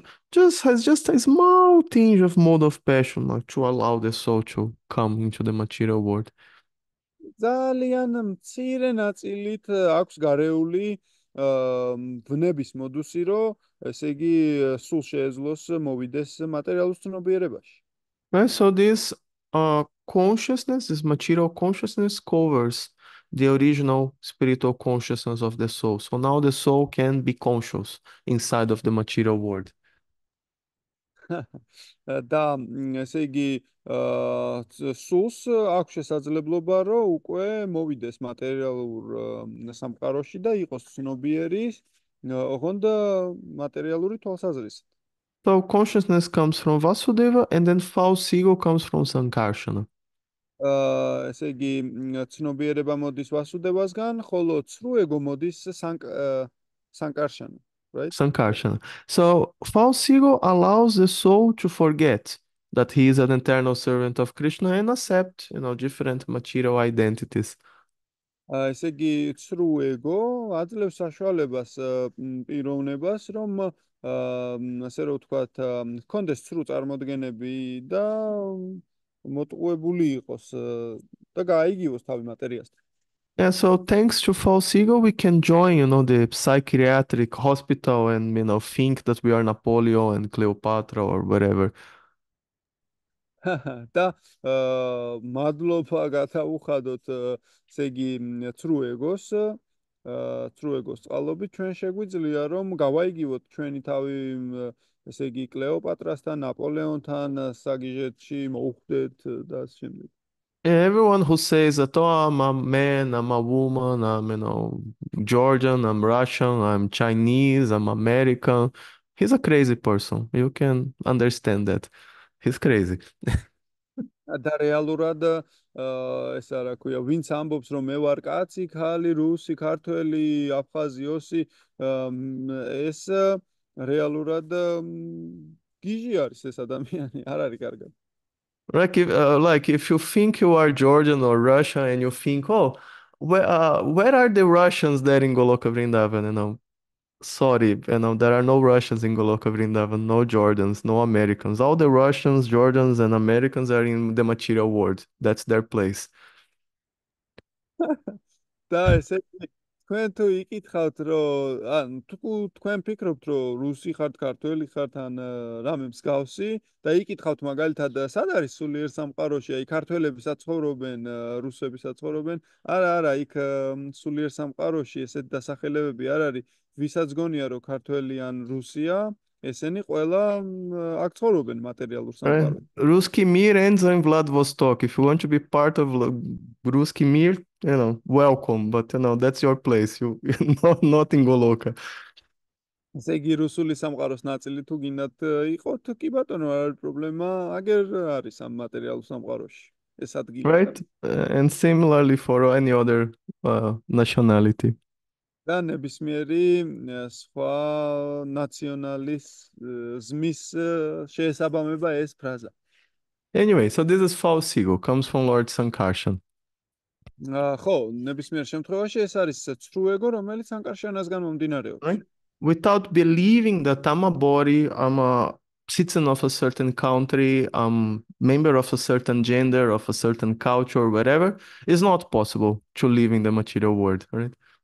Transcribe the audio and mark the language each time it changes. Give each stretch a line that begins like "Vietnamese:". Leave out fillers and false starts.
English: Just has just a small tinge of mode of passion, like to allow the soul to come into the material world.
Georgian: ძალიან მცირე ნაწილით აქვს გარეული ვნების მოდუსი, რომ ესე იგი, სულ შეეძლოს მოვიდეს მატერიალურ ცნობიერებაში.
English: Right, so this consciousness, this material consciousness covers the original spiritual consciousness of the soul. So now the soul can be conscious inside of the material world.
Georgian: და ესე იგი, სულს აქვს შესაძლებლობა, რომ უკვე მოვიდეს მატერიალურ სამყაროში და იყოს ცნობიერი, ოღონდ მატერიალური თვალსაზრისით.
English: So consciousness comes from Vasudeva and then false ego comes from Sankarsana.
Georgian: ესე იგი, ცნობიერება მოდის ვასუდევასგან, ხოლო ცრუ ეგო მოდის სანკარშანა,
English: right? Sankarsana. So false ego allows the soul to forget that he is an eternal servant of Krishna and accept, different material identities.
Georgian: ესე იგი, ცრუ ეგო აძლევს საშუალებას პიროვნებას, რომ ასე რომ ვთქვათ, ჰქონდეს ცრუ წარმოდგენები და მოტყუებული იყოს და გააიგივოს თავი მატერიასთან.
English: Yeah, so thanks to false ego, we can join, the psychiatric hospital and, think that we are Napoleon and Cleopatra or whatever.
Georgian: და მადლობა გათაუხადოთ, ესე იგი, ცრუ ეგოს, თრუ ეგოს წყალობით ჩვენ შეგვიძლია რომ გავაიგივოთ ჩვენი თავი, ესე იგი კლეოპატრასთან, ნაპოლეონთან საგიჟეთში მოუხვდეთ და ასე შემდეგ.
English: Everyone who says that, oh, I'm a man, I'm a woman, I'm, Georgian, I'm Russian, I'm Chinese, I'm American, he's a crazy person. You can understand that. He's crazy.
Georgian: და რეალურად ეს რა ქვია, ვინც ამბობს რომ მე ვარ კაცი, ქალი, რუსი, ქართველი, აფხაზი, ოსი, ეს რეალურად გიჟი არის ეს ადამიანი, არ არის კარგად.
English: Like if you think you are Georgian or Russian and you think, oh, where are the Russians there in Golovka Vrindavan? Sorry, there are no Russians in Golovka Vrindavan, no Georgians, no Americans. All the Russians, Georgians, and Americans are in the material world. That's their place.
Georgian: და ესე თქვენ თუ იკითხავთ რომ ან თუ თქვენ ფიქრობთ რომ რუსი ხართ, ქართველი ხართ, ან რამე მსგავსი და იკითხავთ მაგალითად სად არის სულიერ სამყაროში, აი ქართველები საცხოვრობენ, რუსები საცხოვრობენ, არა, იქ სულიერ სამყაროში ესეთ დასახელებები არ არის, ვისაც გონია რომ ქართველი ან რუსია, ესენი ყველა აქ ცხოვრობენ მატერიალურ სამყაროში.
English: Ruski Mir ends in Vladivostok. If you want to be part of Ruski Mir, welcome, but that's your place. You not in Goloka.
Georgian: ესე იგი რუსული სამყაროს ნაწილი თუ გინდათ იყოთ, კი ბატონო, არ არის პრობლემა, აგერ არის ამ მატერიალურ სამყაროში ეს ადგილი.
English: Right? And similarly for any other nationality.
Georgian: და ნებისმიერი სხვა ნაციონალის ზმის შეესაბამება ეს ფრაზა.
English: Anyway, so this is false ego, comes from Lord Sankarshan.
Georgian: ხო, ნებისმიერ შემთხვევაში ეს არის ცრუ ეგო, რომელიც სანკარშანასგან მომდინარეობს.
English: Right? Without believing that I'm a body, I'm a citizen of a certain country, I'm member of a certain gender, of a certain culture, whatever, it's not possible to live in the material world, right?